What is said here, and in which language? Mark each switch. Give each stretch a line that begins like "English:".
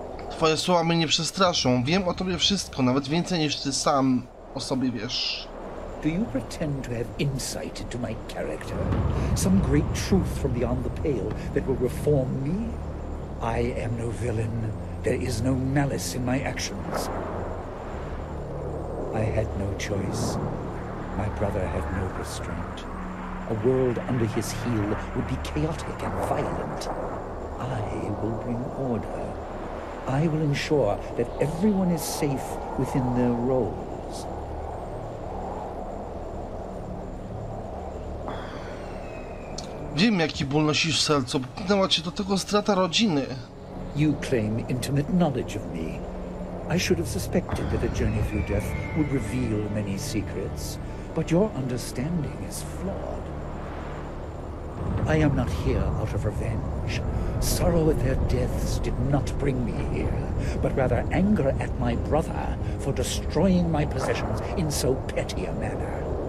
Polish: Twoje słowa mnie nie przestraszą. Wiem o tobie wszystko, nawet więcej niż ty sam o sobie wiesz.
English: Do you pretend to have insight into my character? Some great truth from beyond the pale that will reform me? I am no villain. There is no malice in my actions. I had no choice. My brother had no restraint. A world under his heel would be chaotic and violent. I will bring order. I will ensure that everyone is safe within their roles.
Polish: Wiem, jaki ból nosisz w sercu. Pchnęła cię do tego strata rodziny.
English: You claim intimate knowledge of me. I should have suspected that a journey through death would reveal many secrets, but your understanding is flawed. I am not here out of revenge. Sorrow at their deaths did not bring me here, but rather anger at my brother for destroying my possessions in so petty a manner.